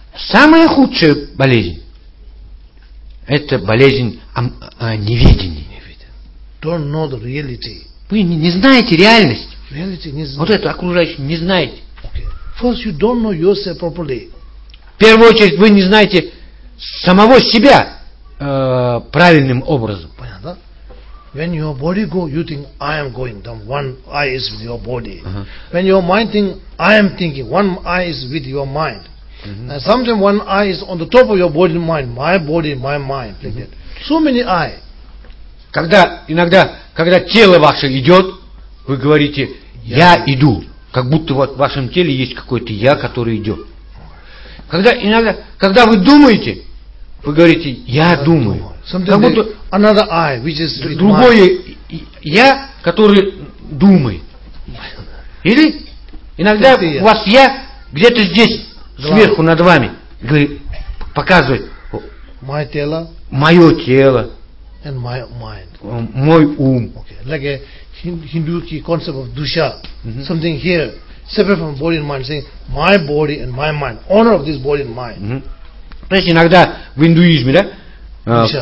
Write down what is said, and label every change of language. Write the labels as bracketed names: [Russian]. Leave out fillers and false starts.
[Russian] Самая худшая болезнь. Это болезнь неведения. [English] Don't know the reality. [Russian] Вы не знаете реальность. Reality не знаете. Вот это окружающее не знаете. [English] Okay. First, you don't know yourself properly. [Russian] В первую очередь вы не знаете самого себя правильным образом. Понятно? Да? [English] When your body go, you think I am going. Then one eye is with your body. Uh-huh. When your mind think I am thinking, one eye is with your mind. Mm-hmm. And sometimes one eye is on the top of your body, mind, my body, my mind, like mm-hmm. that. So many eye. [Russian] Когда иногда, когда тело ваше идет, вы говорите, я иду, как будто вот в вашем теле есть какой-то я, который идет. Когда иногда, когда вы думаете, вы говорите, я думаю. [English] Sometimes [Russian] как будто [English] another eye, which is [Russian] другое я, который думает. Или иногда у вас я где-то здесь. Сверху над вами показывает [English] my [Russian] тело, мое тело [English] and my mind. [Russian] Мой ум. [English] Okay. Like a Hinduistic concept of dusha. Mm-hmm. Something here, separate from body and mind, saying my body and my mind, owner of this body and mind. Mm-hmm. [Russian] То есть иногда в индуизме, да?